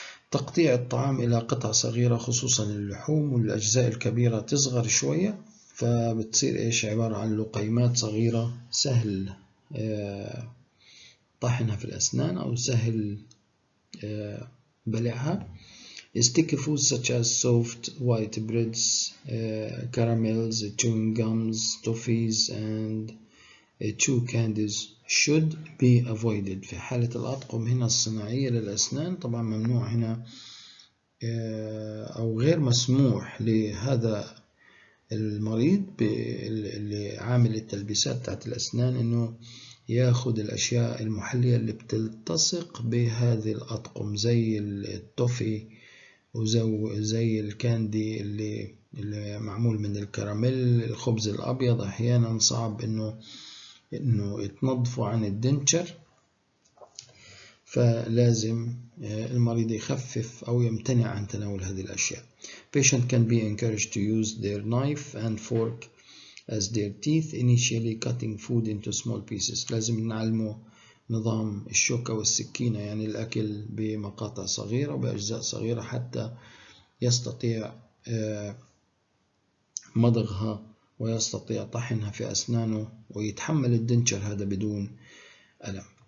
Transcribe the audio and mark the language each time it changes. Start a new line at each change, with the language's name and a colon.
Arabic: تقطيع الطعام إلى قطع صغيرة، خصوصا اللحوم والأجزاء الكبيرة تصغر شوية، فبتصير إيش، عبارة عن لقيمات صغيرة، سهل طحنها في الأسنان أو سهل بلعها.
English: Sticky foods such as soft white breads, caramels, chewing gums, toffees and chew candies should be avoided.
Arabic: في حالة الأطقم هنا الصناعية للأسنان طبعا ممنوع هنا أو غير مسموح لهذا المريض اللي عامل التلبيسات بتاعت الأسنان إنه ياخد الأشياء المحلية اللي بتلتصق بهذه الأطقم، زي التوفي وزي الكاندي اللي معمول من الكراميل. الخبز الأبيض أحيانا صعب إنه يتنظفه عن الدنتشر، فلازم المريض يخفف أو يمتنع عن تناول هذه الأشياء.
English: Patient can be encouraged to use their knife and fork as their teeth initially cutting food into small pieces.
Arabic: لازم نعلمه نظام الشوكة والسكينة، يعني الأكل بمقاطع صغيرة وبأجزاء صغيرة حتى يستطيع مضغها ويستطيع طحنها في أسنانه ويتحمل الدنتشر هذا بدون ألم.